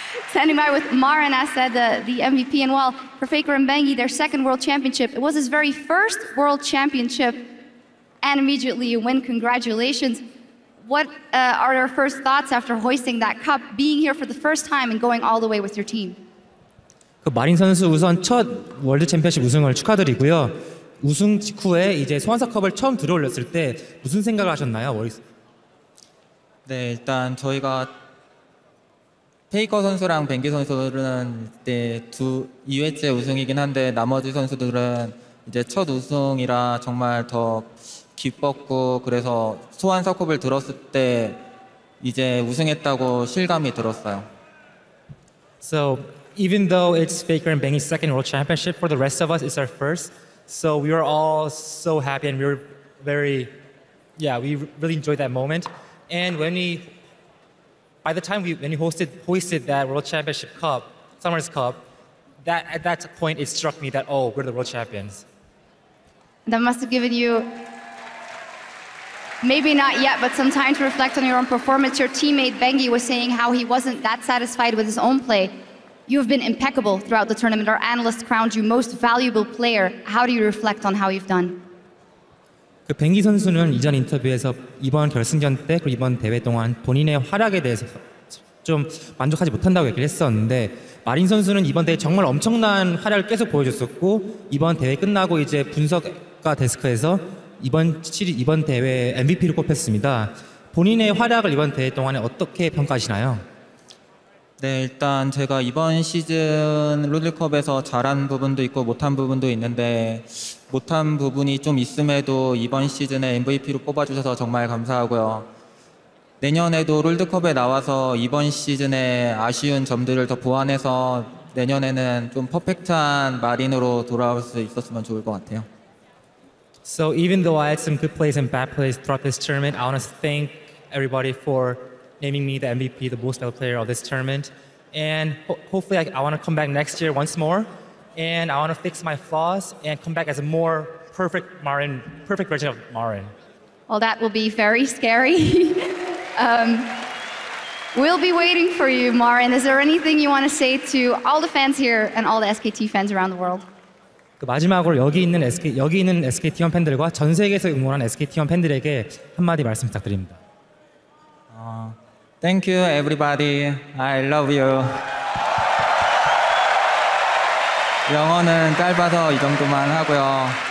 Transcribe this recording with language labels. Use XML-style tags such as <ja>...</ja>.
<en>Standing by with Maren, as said, the MVP. And well, for Faker and Bengi, their second world championship. It was his very first world championship, and immediately a win. Congratulations. What are your first thoughts after hoisting that cup, being here for the first time and going all the way with your team?</en> <ko>그 마린 선수 우선 첫 월드 챔피언십 우승을 축하드리고요. 우승 직후에 이제 소환사 컵을 처음 들어올렸을 때 무슨 생각을 하셨나요? 네, 일단 저희가 페이커 선수랑 벵기 선수들은 이제 2회째 우승이긴 한데 나머지 선수들은 이제 첫 우승이라 정말 더 기뻤고 그래서 소환사 컵을 들었을 때 이제 우승했다고 실감이 들었어요.</ko> <en>So even though it's Faker and Bengi's second world championship, for the rest of us it's our first. So we were all so happy and we were we really enjoyed that moment. And when we hoisted that World Championship Cup, Summer's Cup, that at that point it struck me that, oh, we're the world champions. That must have given you, maybe not yet, but some time to reflect on your own performance. Your teammate Bengi was saying how he wasn't that satisfied with his own play. You have been impeccable throughout the tournament. Our analysts crowned you most valuable player. How do you reflect on how you've done?</en> <ko>그 뱅기 선수는 이전 인터뷰에서 이번 결승전 때 그리고 이번 대회 동안 본인의 활약에 대해서 좀 만족하지 못한다고 얘기를 했었는데 마린 선수는 이번 대회 정말 엄청난 활약을 계속 보여줬었고 이번 대회 끝나고 이제 분석가 데스크에서 이번 대회 MVP를 꼽혔습니다. 본인의 활약을 이번 대회 동안에 어떻게 평가하시나요? 네, 일단 제가 이번 시즌 롤드컵에서 잘한 부분도 있고 못한 부분도 있는데 못한 부분이 좀 있음에도 이번 시즌에 MVP로 뽑아주셔서 정말 감사하고요. 내년에도 롤드컵에 나와서 이번 시즌에 아쉬운 점들을 더 보완해서 내년에는 좀 퍼펙트한 마린으로 돌아올 수 있었으면 좋을 것 같아요.</ko> <en>So even though I had some good plays and bad plays throughout this tournament, I want to thank everybody for naming me the MVP, the most valuable player of this tournament. And hopefully I want to come back next year once more. And I want to fix my flaws and come back as a more perfect Marin, perfect version of Marin. Well, that will be very scary. we'll be waiting for you, Marin. Is there anything you want to say to all the fans here and all the SKT fans around the world?</en> <ko>그 마지막으로 여기 있는 SKT1 팬들과 전 세계에서 응원한 SKT1 팬들에게 한마디 말씀 부탁드립니다.</ko> <en>Thank you, everybody. I love you.</en> <ko>영어는 짧아서 이 정도만 하고요.</ko>